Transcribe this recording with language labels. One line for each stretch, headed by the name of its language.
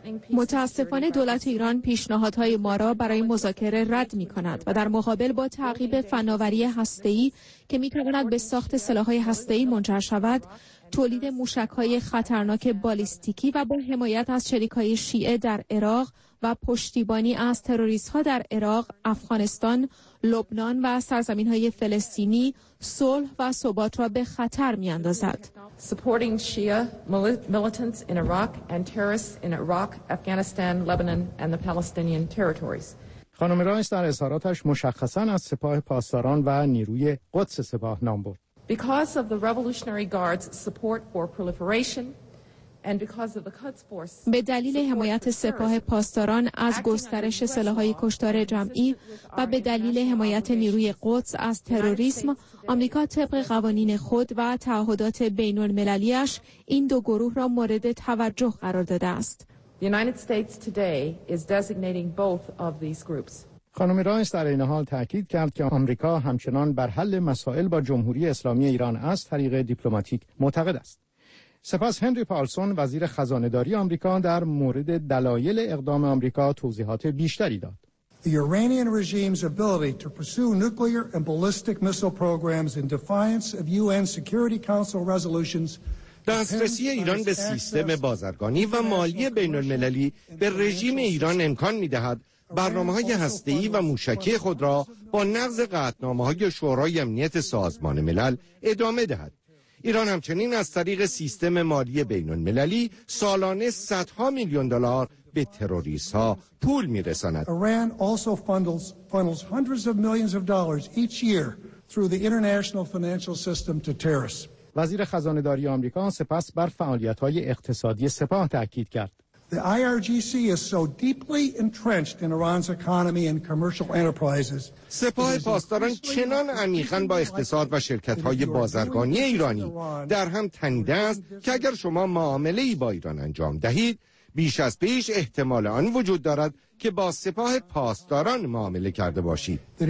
Persian: متاسفانه دولت ایران پیشنهادهای ما را برای مذاکره رد می کند و در مقابل با تعقیب فناوری هسته‌ای که می تواند به ساخت سلاح‌های هسته‌ای منجر شود، تولید موشک‌های خطرناک بالیستیکی و با حمایت از شریک‌های شیعه در عراق و پشتیبانی از تروریست‌ها در عراق، افغانستان، لبنان و سرزمین‌های فلسطینی صلح و ثبات را به خطر می‌اندازد.
English: Supporting Shia militants in Iraq and terrorists in Iraq, Afghanistan, Lebanon and the Palestinian territories.
Persian: خانم رایس در اظهاراتش مشخصاً از سپاه پاسداران و نیروی قدس سپاه نام برد.
English: Because of the Revolutionary Guard's support for proliferation and because of the Quds Force.
Persian: به دلیل حمایت سپاه پاسداران از گسترش سلاح‌های کشتار جمعی و به دلیل حمایت نیروی قدس از تروریسم، آمریکا طبق قوانین خود و تعهدات بین‌المللی‌اش این دو گروه را مورد توجه قرار داده است.
English: The United States today is designating both of these groups.
Persian: خانم رایس در این حال تأکید کرد که آمریکا همچنان بر حل مسائل با جمهوری اسلامی ایران از طریق دیپلماتیک معتقد است. سپس هنری پالسون وزیر خزانه داری آمریکا در مورد دلایل اقدام آمریکا توضیحات بیشتری داد.
English: The Iranian regime's ability to pursue nuclear and ballistic missile programs in defiance of UN Security Council resolutions.
Persian: دسترسی ایران به سیستم بازرگانی و مالی بین‌المللی به رژیم ایران امکان می‌دهد برنامه‌های هسته‌ای و موشکی خود را با نقض قطعنامه‌های شورای امنیت سازمان ملل ادامه دهد. ایران همچنین از طریق سیستم مالی بین‌المللی سالانه صدها میلیون دلار به تروریست‌ها پول می‌رساند.
English: ایران also funnels hundreds of millions of dollars each year through the international financial system to terrorists.
Persian: وزیر خزانه داری آمریکا سپس بر فعالیت‌های اقتصادی سپاه تأکید کرد.
English: The IRGC is so deeply entrenched in Iran's economy and commercial enterprises.
Persian: سپاه پاسداران چنان عمیقاً با اقتصاد و شرکت‌های بازرگانی ایرانی در هم تنیده است که اگر شما معامله‌ای با ایران انجام دهید، بیش از پیش احتمال آن وجود دارد که با سپاه پاسداران معامله کرده باشید.